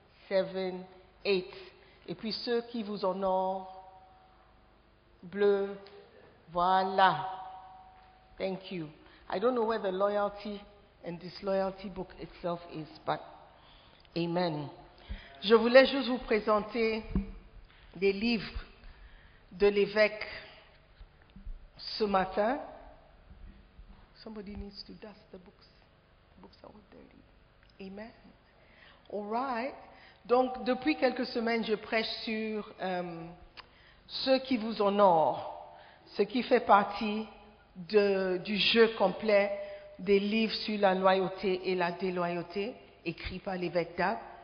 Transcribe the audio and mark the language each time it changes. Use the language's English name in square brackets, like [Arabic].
[French] 1, 2, 3, 4, 5, 6, 7, 8. Et puis ceux qui vous honorent, bleu, voilà. [English] Thank you. I don't know where the loyalty and disloyalty book itself is, but amen. [French] Je voulais juste vous présenter des livres de l'évêque ce matin. [English] Somebody needs to dust the books. Books are all dirty. Amen. All right. [French] Donc, depuis quelques semaines, je prêche sur ceux qui vous honorent, ce qui fait partie du jeu complet des livres sur la loyauté et la déloyauté, écrits par l'évêque Dab.